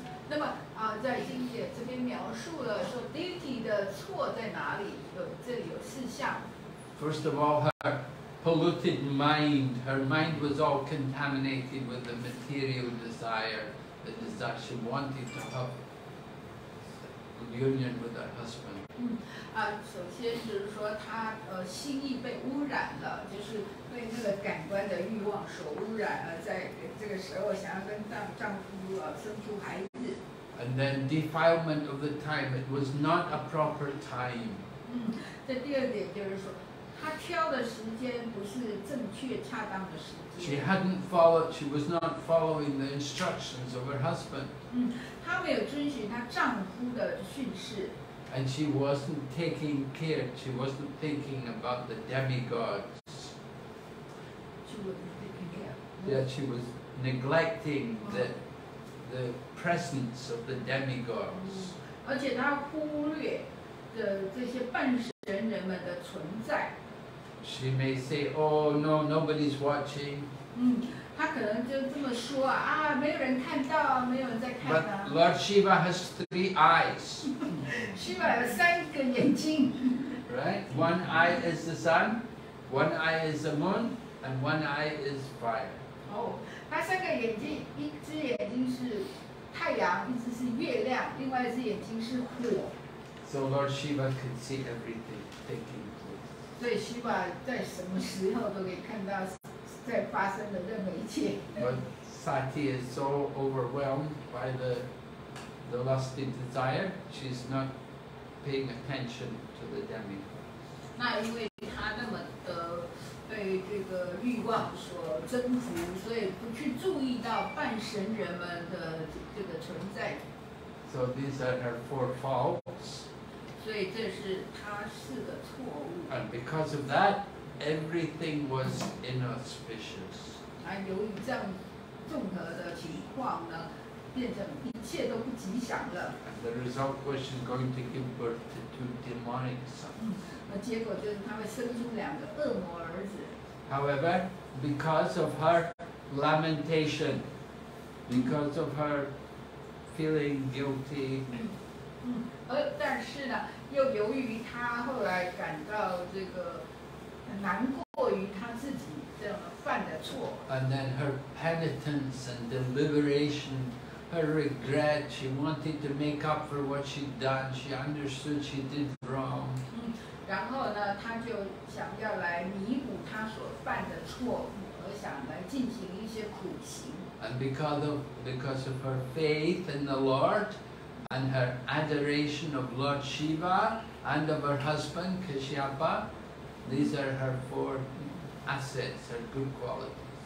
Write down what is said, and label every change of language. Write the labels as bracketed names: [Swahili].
[Chinese] 那么在经典这边描述了说 Diti 的错在哪里，这里有四项。 [English] First of all, herPolluted mind. Her mind was all contaminated with the material desire, the desire she wanted to have union with her husband. [Chinese] 首先就是说她心意被污染了，就是被那个感官的欲望所污染了，在这个时候想要跟丈夫生出孩子。 [English] And then defilement of the time. It was not a proper time. [Chinese] 这第二点就是说。她挑的时间不是正确恰当的时间。 [English] She hadn't followed. She was not following the instructions of her husband. [Chinese] 她没有遵循她丈夫的训示。 [English] And she wasn't taking care. She wasn't thinking about the demigods. She wasn't thinking care. Yeah, she was neglecting the presence of the demigods. [Chinese] 而且她忽略的这些半神人们的存在。 [English] She may say, "Oh no, nobody's watching." [Chinese] 她可能就这么说啊，没有人看到，没有人在看啊。 [English] But Lord Shiva has three eyes. [Chinese] Shiva 有三个眼睛。 [English] Right, one eye is the sun, one eye is the moon, and one eye is fire. [Chinese] 她三个眼睛，一只眼睛是太阳，一只是月亮，另外一只眼睛是火。 [English] So Lord Shiva can see everything taking place. [Chinese] 所以希望在什么时候都可以看到在发生的任何一切。 [English] But Sati is so overwhelmed by the lusty desire, she's not paying attention to the demigods. [Chinese] 那因为她那么的被这个欲望所征服，所以不去注意到半神人们的这个存在。 [English] So these are her four faults. [Chinese] 所以这是他四个错误。 [English] And because of that, everything was inauspicious. [Chinese] 由于这样综合的情况呢，变成一切都不吉祥了。 [English] And the result was she's going to give birth to two demonic sons. [Chinese] 那结果就是他会生出两个恶魔儿子。 [English] However, because of her lamentation, because of her feeling guilty. [Chinese] 但是呢，又由于他后来感到这个难过于他自己这样犯的错。 [English] And then her penitence and deliberation, her regret, she wanted to make up for what she'd done. She understood she did wrong. [Chinese] 然后呢，他就想要来弥补他所犯的错误，而想来进行一些苦行。 [English] And because of her faith in the Lord. and her adoration of Lord Shiva and of her husband Kashyapa. These are her four assets, her good qualities.